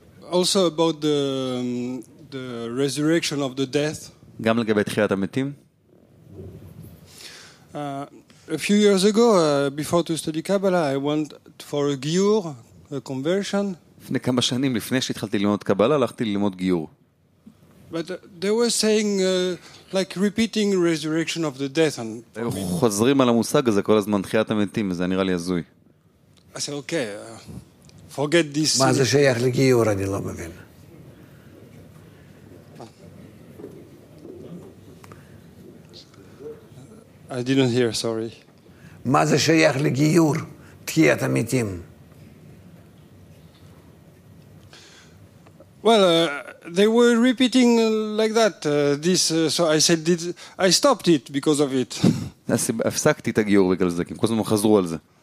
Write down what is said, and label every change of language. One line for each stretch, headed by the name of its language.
English: Also about the resurrection of the death.
Hebrew: גם לגבי תחיית המתים.
English: A few years ago, before to study Kabbalah, I went for a giur, a conversion.
Hebrew: לפני כמה שנים, לפני שהתחלתי ללמוד קבלה, הלכתי ללמוד גיור.
English: But they were saying like repeating resurrection of the death.
Hebrew: חוזרים על המושג הזה כל הזמן, תחיית המתים, זה נראה לי הזוי.
English: I said, okay, forget this.
Hebrew: מה זה שייך לגיור, אני לא מבין.
English: I didn't hear, sorry.
Hebrew: מה זה שייך לגיור, תחיית המתים?
English: Well, they were repeating like that, this, so I said, this, I stopped it because of it.
Hebrew: הפסקתי את הגיור בגלל זה, כי הם כל הזמן חזרו על זה.